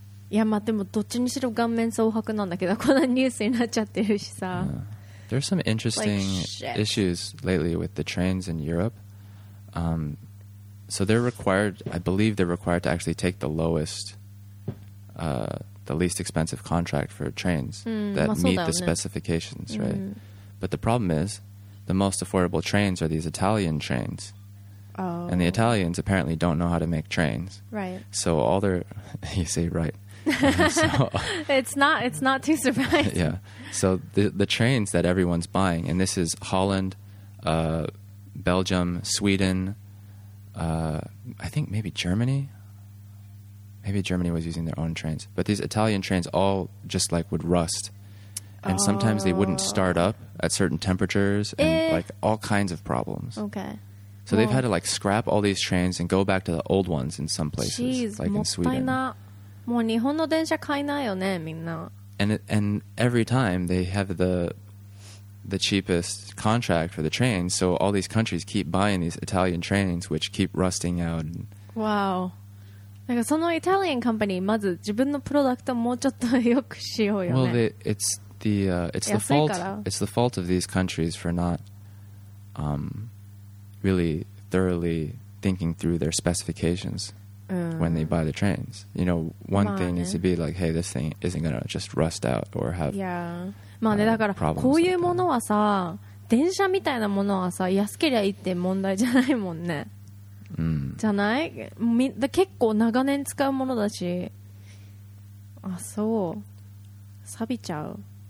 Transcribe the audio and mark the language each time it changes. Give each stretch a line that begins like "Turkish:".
English: Yeah, but
Japanese: でもどっちにしろ顔面蒼白なんだけど、こんなニュースになっちゃってるしさ。
English: There's some interesting issues lately with the trains in Europe. So they're required, I believe they're required to actually take the lowest, the least expensive contract for trains that meet the specifications, right? But the problem is,The most affordable trains are these Italian trains. Oh. And the Italians apparently don't know how to make trains. Right. So all their... you say right. it's not too surprising. Yeah. So the trains that everyone's buying, and this is Holland, Belgium, Sweden, I think maybe Germany. Maybe Germany was using their own trains. But these Italian trains all just like would rust. And sometimes they wouldn't start up at certain temperatures and like all kinds of problems. Okay. So they've had to like scrap all these trains and go back to the old ones in some places, Jeez, like in Sweden.
Japanese: もう日本の電車買えないよね、みんな。
English: And every time they have the cheapest contract for the trains, so all these countries keep buying these Italian trains, which keep rusting out. And wow.
Japanese: なんかそのイタリアンカンパニー、まず自分のプロダクトもうちょっと良くしようよね。
English: Well, it's the fault of these countries for not really thoroughly thinking through their specifications when they buy the trains. You know, one thing needs to be like, hey, this thing isn't going to just rust out or have
Japanese: まあね、だからこういうものはさ、電車みたいなものはさ、安けりゃいいって問題じゃないもんね。じゃない？結構長年使うものだし。あ、そう。錆びちゃう。